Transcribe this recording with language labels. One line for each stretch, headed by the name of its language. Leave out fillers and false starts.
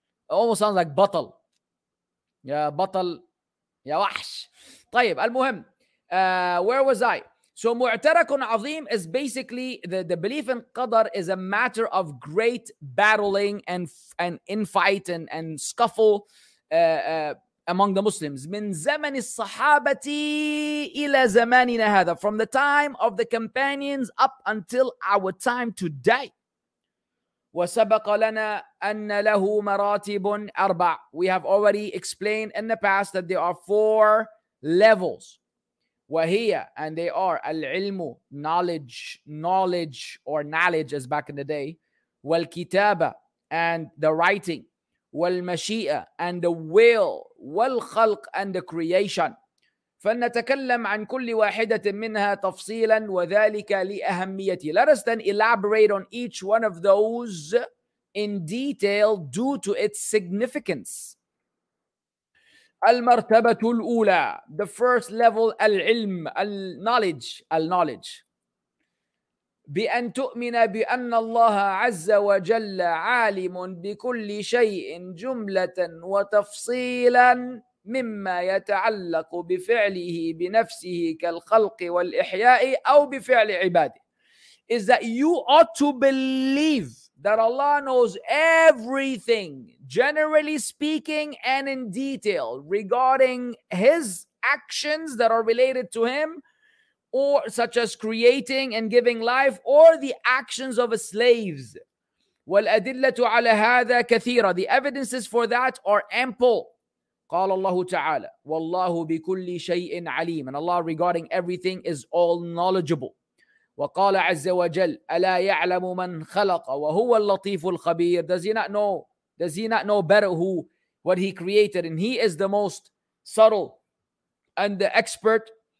English: It almost sounds like batal.
Arabic: Ya batal. Ya wahsh. طيب, المهم.
English: Where was I? So mu'tarakun azim is basically the belief in qadar is a matter of great battling and infight and scuffle among the Muslims.
Arabic: من زمن الصحابة إلى زماننا هذا.
English: From the time of the companions up until our time today.
Arabic: وسبق لنا أن له مراتب أربع.
English: We have already explained in the past that there are four levels. وهي, and they are, العلم, knowledge or knowledge as back in the day, والكتابة, and the writing, والمشيئة, and the will, والخلق, and the creation.
Arabic: فلنتكلم عن كل واحدة منها تفصيلا وذلك لأهميتي.
English: Let us then elaborate on each one of those in detail due to its significance.
Arabic: المرتبة الأولى,
English: the first level, العلم, knowledge.
Arabic: بأن تؤمن بأن الله عز وجل عالم بكل شيء جملة وتفصيلا. مما يتعلق بفعله بنفسه كالخلق والإحياء أو بفعل عباده.
English: Is that you ought to believe that Allah knows everything, generally speaking and in detail, regarding His actions that are related to Him, or such as creating and giving life, or the actions of slaves.
Arabic: والأدلة على هذا كثيرة.
English: The evidences for that are ample.
Arabic: قال الله تعالى والله بكل شيء عليم.
English: And Allah regarding everything is all knowledgeable.
Arabic: وقال عز وجل ألا يعلم من خلق وهو اللطيف الخبير.
English: Does he not know? Does he not know better who, what he created? And he is the most subtle and the expert.